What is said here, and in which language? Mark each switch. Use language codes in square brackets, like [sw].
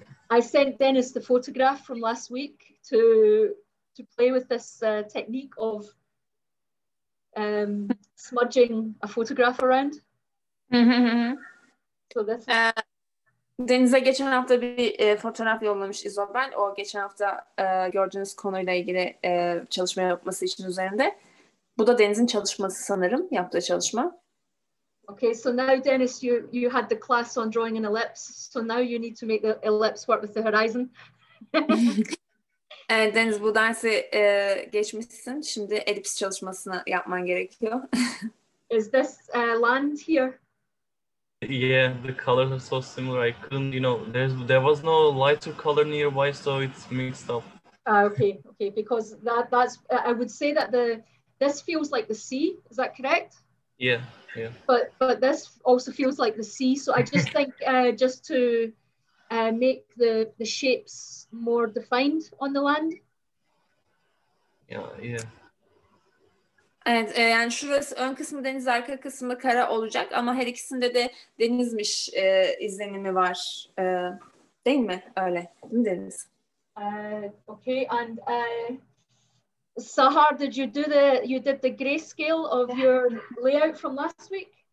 [en] I sent Dennis the photograph from last week to play with this technique of smudging a photograph around. So this. [tr] Deniz'e geçen hafta bir fotoğraf yollamış İzobel. O geçen hafta gördüğünüz konuyla ilgili çalışma yapması için üzerinde. Bu da Deniz'in çalışması sanırım, yaptığı çalışma. [en] Okay, so now Dennis, you had the class on drawing an ellipse. So now you need to make the ellipse work with the horizon. Deniz, bu dersi geçmişsin. Şimdi elips çalışmasını yapman gerekiyor. Is this land here? Yeah, the colors are so similar. I couldn't, you know, there was no lighter color nearby, so it's mixed up. Okay. Because that's, I would say that this feels like the sea. Is that correct? Yeah. But this also feels like the sea. So I just think just to make the shapes more defined on the land. Yeah. [tr] Evet, yani şurası ön kısmı deniz, arka kısmı kara olacak ama her ikisinde de denizmiş izlenimi var. Değil mi? Öyle. Değil mi deniz? [en] Okay, and Sahar, did you do the grayscale of your layout from last week?